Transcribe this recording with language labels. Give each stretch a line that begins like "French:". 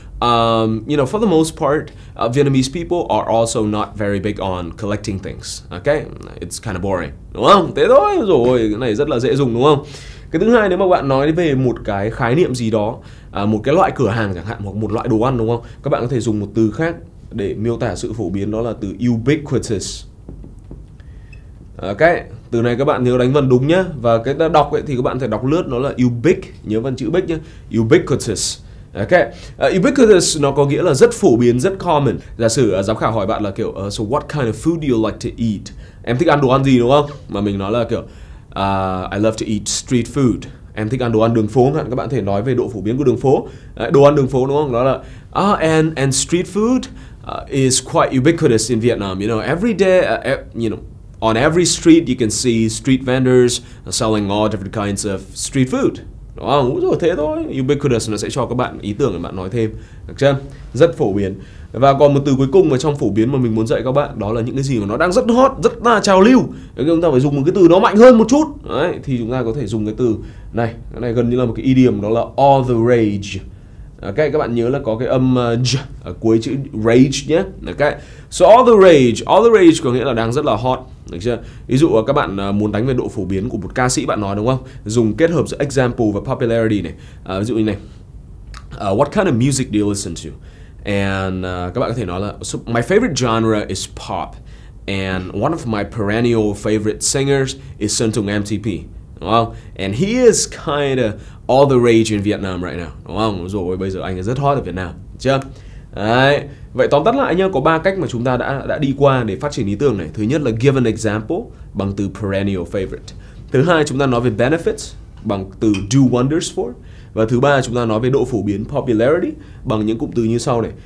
English: For the most part, Vietnamese people are also not very big on collecting things. Okay, it's kind of boring,
Vietnamese: đúng không? Thế thôi, rồi cái này rất là dễ dùng, đúng không? Cái thứ hai, nếu mà bạn nói về một cái khái niệm gì đó, một cái loại cửa hàng chẳng hạn, hoặc một loại đồ ăn, đúng không? Các bạn có thể dùng một từ khác để miêu tả sự phổ biến, đó là từ ubiquitous. Okay, từ này các bạn nhớ đánh vần đúng nhá. Và cái ta đọc ấy, thì các bạn phải đọc lướt, nó là ubiq, nhớ vần chữ bích nhá, ubiquitous. Ok, ubiquitous nó có nghĩa là rất phổ biến, rất common. Giả sử giám khảo hỏi bạn là kiểu
English: so what kind of food do you like to eat?
Vietnamese: Em thích ăn đồ ăn gì, đúng không? Mà mình nói là kiểu
English: I love to eat street food.
Vietnamese: Em thích ăn đồ ăn đường phố, đúng không? Các bạn thể nói về độ phổ biến của đường phố. Đồ ăn đường phố, đúng không? Đó là
English: and street food is quite ubiquitous in Vietnam. You know, every day, on every street you can see street vendors selling all different kinds of street food.
Vietnamese: Đó, đúng rồi, thế thôi, ubiquitous nó sẽ cho các bạn ý tưởng để bạn nói thêm. Được chưa? Rất phổ biến. Và còn một từ cuối cùng mà trong phổ biến mà mình muốn dạy các bạn, đó là những cái gì mà nó đang rất hot, rất là trào lưu. Thế chúng ta phải dùng một cái từ nó mạnh hơn một chút. Đấy, thì chúng ta có thể dùng cái từ này. Cái này gần như là một cái idiom, đó là all the rage. Ok, các bạn nhớ là có cái âm j ở cuối chữ rage nhé. Ok, so all the rage có nghĩa là đang rất là hot. Được chưa? Ví dụ các bạn muốn đánh về độ phổ biến của một ca sĩ, bạn nói đúng không? Dùng kết hợp giữa example và popularity này.
English: Ví dụ như này, what kind of music do you listen to? And
Vietnamese: các bạn có thể nói là
English: so my favorite genre is pop, and one of my perennial favorite singers is Sơn Tùng MTP.
Vietnamese: Đúng không?
English: And he is kind of all the rage in Vietnam right now.
Vietnamese: Đúng không? Rồi bây giờ anh rất hot ở Việt Nam. Được chưa? Đấy. Vậy tóm tắt lại nhá, có 3 cách mà chúng ta đã đi qua để phát triển ý tưởng này. Thứ nhất là give an example bằng từ perennial favorite. Thứ hai, chúng ta nói về benefits bằng từ do wonders for. Và thứ ba, chúng ta nói về độ phổ biến popularity bằng những cụm từ như sau này.